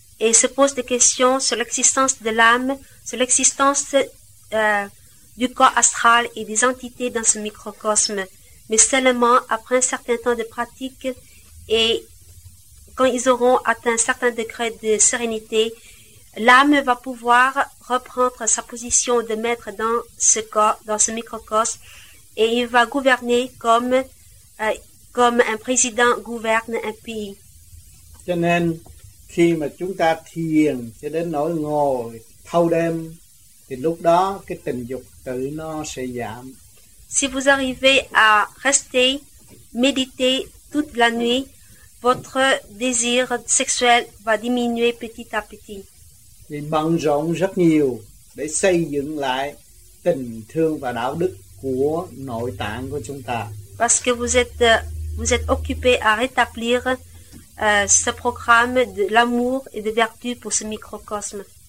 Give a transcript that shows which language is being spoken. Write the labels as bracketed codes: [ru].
[fr] et se pose des questions sur l'existence de l'âme, sur l'existence du corps astral et des entités dans ce microcosme, mais seulement après un certain temps de pratique et quand ils auront atteint un certain degré de sérénité, l'âme va pouvoir reprendre sa position de maître dans ce corps, dans ce microcosme, et il va gouverner comme, comme un président gouverne un pays. [vi] Cho nên, khi mà chúng ta thiền cho đến nỗi ngồi thâu đêm, thì lúc đó cái tình dục tự nó sẽ giảm. [fr] Si vous arrivez à rester, méditer toute la nuit, votre désir sexuel va diminuer petit à petit. [vi] Vì bận rộn rất nhiều để xây dựng lại tình thương và đạo đức của nội tạng của chúng ta. [fr] Parce que vous êtes occupé à rétablir ce programme de l'amour et de vertu pour ce microcosme.